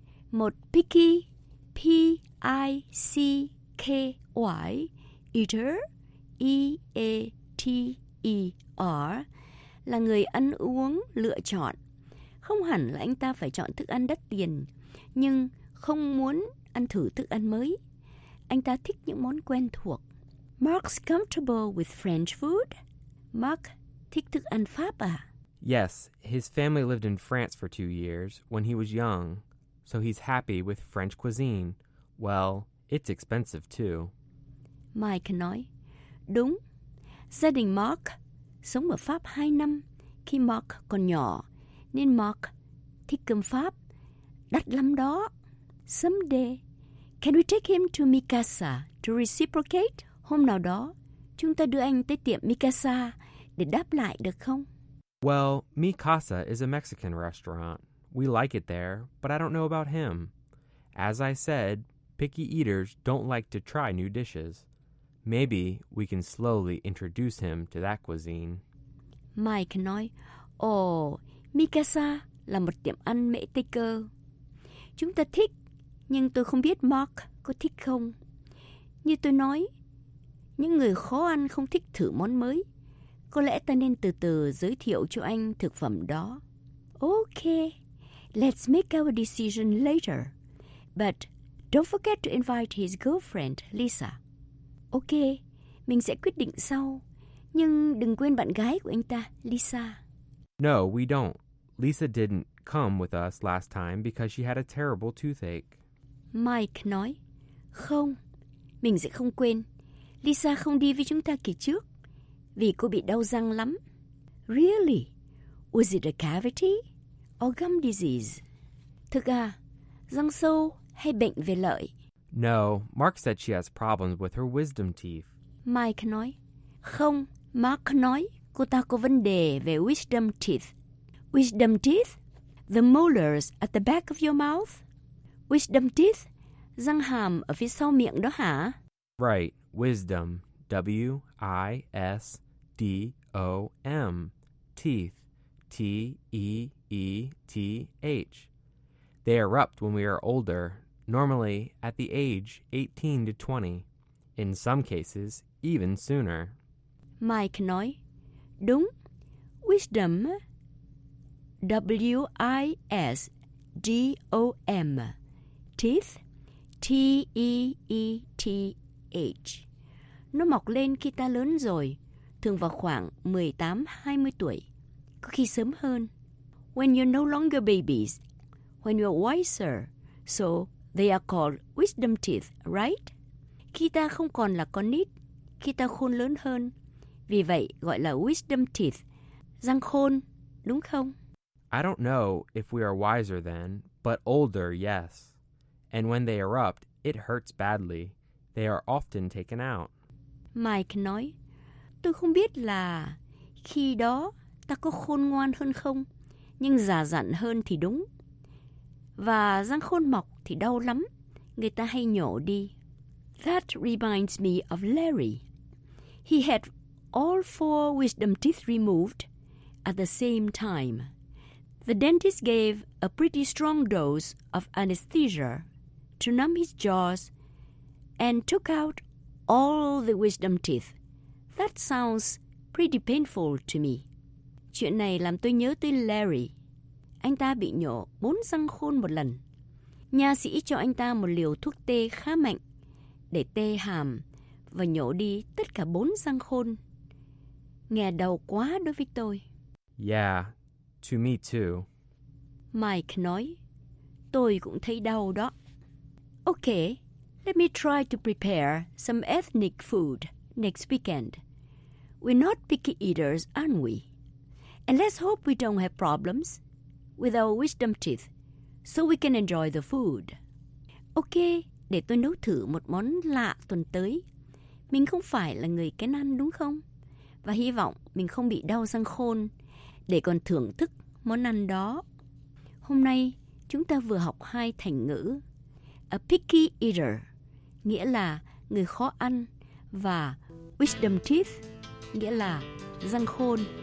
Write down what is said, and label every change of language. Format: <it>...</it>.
<vi>Một picky, P-I-C-K-Y, eater, E-A-T-E-R, là người ăn uống lựa chọn. Không hẳn là anh ta phải chọn thức ăn đắt tiền, nhưng không muốn ăn thử thức ăn mới. Anh ta thích những món quen thuộc.</vi> <en>Mark's comfortable with French food?</en> <vi>Mark thích thức ăn Pháp à?</vi> <en>Yes, his family lived in France for 2 years when he was young, so he's happy with French cuisine. Well, it's expensive too.</en> <vi>Mike nói, đúng. Gia đình Mark sống ở Pháp 2 năm khi Mark còn nhỏ, nên Mark thích cơm Pháp. Đắt lắm đó.</vi> <en>Someday, can we take him to Mikasa to reciprocate?</en> <vi>Hôm nào đó, chúng ta đưa anh tới tiệm Mikasa để đáp lại được không?</vi> <en>Well, Mikasa is a Mexican restaurant. We like it there, but I don't know about him. As I said, picky eaters don't like to try new dishes. Maybe we can slowly introduce him to that cuisine.</en> <vi>Mike nói, Mikasa là một tiệm ăn Mỹ Tây cơ. Chúng ta thích, nhưng tôi không biết Mark có thích không. Như tôi nói, những người khó ăn không thích thử món mới. Có lẽ ta nên từ từ giới thiệu cho anh thực phẩm đó. Ok,</vi> <en>Let's make our decision later. But don't forget to invite his girlfriend, Lisa.</en> <vi>Ok, mình sẽ quyết định sau. Nhưng đừng quên bạn gái của anh ta, Lisa.</vi> <en>No, we don't. Lisa didn't come with us last time because she had a terrible toothache.</en> <vi>Mike nói, không, mình sẽ không quên. Lisa không đi với chúng ta kỳ trước vì cô bị đau răng lắm.</vi> <en>Really? Was it a cavity or gum disease?</en> <vi>Thực à, răng sâu hay bệnh về lợi?</vi> <en>No, Mark said she has problems with her wisdom teeth.</en> <vi>Mike nói, không, Mark nói cô ta có vấn đề về wisdom teeth.</vi> <en>Wisdom teeth? The molars at the back of your mouth? Wisdom teeth?</en> <vi>Răng hàm ở phía sau miệng đó hả?</vi> <en>Right. Wisdom. W-I-S-D-O-M. Teeth. T-E-E-T-H. They erupt when we are older, normally at the age 18 to 20. In some cases, even sooner.</en> <vi>Mike nói, đúng. Wisdom.</vi> <en>W-I-S-D-O-M. Teeth. T-E-E-T-H.</en> <vi>Nó mọc lên khi ta lớn rồi, thường vào khoảng 18-20 tuổi, có khi sớm hơn.</vi> <en>When you're no longer babies, when you're wiser, so they are called wisdom teeth, right?</en> <vi>Khi ta không còn là con nít, khi ta khôn lớn hơn, vì vậy gọi là wisdom teeth, răng khôn, đúng không?</vi> <en>I don't know if we are wiser then, but older, yes. And when they erupt, it hurts badly. They are often taken out.</en> <vi>Mike nói, tôi không biết là khi đó ta có khôn ngoan hơn không, nhưng già dặn hơn thì đúng. Và răng khôn mọc thì đau lắm, người ta hay nhổ đi.</vi> <en>That reminds me of Larry. He had all four wisdom teeth removed at the same time. The dentist gave a pretty strong dose of anesthesia to numb his jaws and took out all the wisdom teeth. That sounds pretty painful to me.</en> <vi>Chuyện này làm tôi nhớ tới Larry. Anh ta bị nhổ bốn răng khôn một lần. Nha sĩ cho anh ta một liều thuốc tê khá mạnh để tê hàm và nhổ đi tất cả bốn răng khôn. Nghe đau quá đối với tôi.</vi> <en>Yeah, to me too.</en> <vi>Mike nói, tôi cũng thấy đau đó.</vi> <en>Okay. Let me try to prepare some ethnic food next weekend. We're not picky eaters, aren't we? And let's hope we don't have problems with our wisdom teeth, so we can enjoy the food.</en> <vi>Ok, để tôi nấu thử một món lạ tuần tới. Mình không phải là người kén ăn đúng không? Và hy vọng mình không bị đau răng khôn để còn thưởng thức món ăn đó. Hôm nay, chúng ta vừa học hai thành ngữ. A picky eater, nghĩa là người khó ăn, và wisdom teeth, nghĩa là răng khôn.</vi>